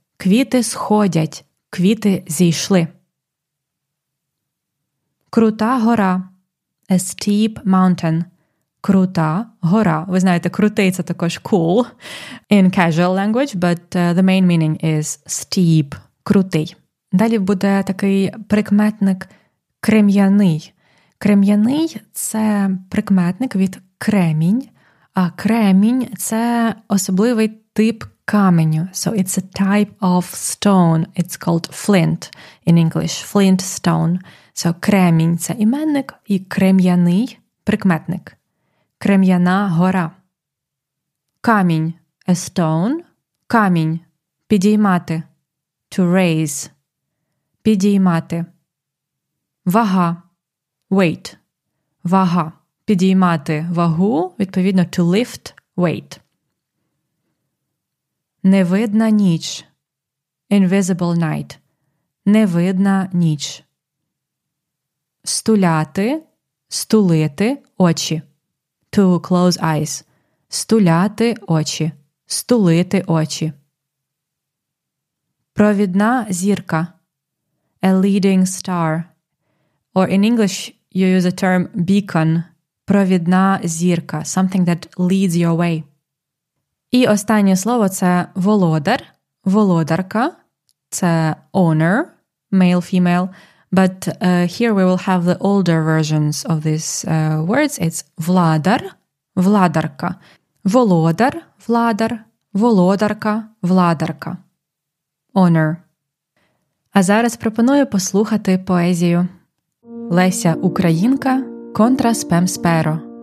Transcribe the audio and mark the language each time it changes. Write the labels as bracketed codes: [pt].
[uk] Квіти сходять. Квіти зійшли. Крута гора. [en] A steep mountain. [uk] Крута гора. Ви знаєте, крутий – це також [en] cool in casual language, but the main meaning is steep – крутий. [uk] Далі буде такий прикметник крем'яний. Крем'яний – це прикметник від кремінь, а кремінь – це особливий тип каменю. [en] So it's a type of stone. It's called flint in English. Flint stone. [uk] So, кремінь – це іменник, і крем'яний – прикметник. Крем'яна гора. [en] Камінь – a stone. [uk] Камінь – підіймати. [en] To raise. [uk] Підіймати. Вага – weight. Вага – підіймати вагу, відповідно, [en] to lift weight. [uk] Невидна ніч. [en] Invisible night. [uk] Невидна ніч. Стуляти, стулити очі. [en] To close eyes. [uk] Стуляти очі, стулити очі. Провідна зірка. [en] A leading star. Or in English you use the term beacon. [uk] Провідна зірка. [en] Something that leads your way. [uk] І останнє слово – це володар. Володарка – це [en] owner, male, female. But here we will have the older versions of these words. [uk] It's владар, владарка. Володар, владар, володарка, владарка. Honor. А зараз пропоную послухати поезію. Леся Українка контра спем сперо.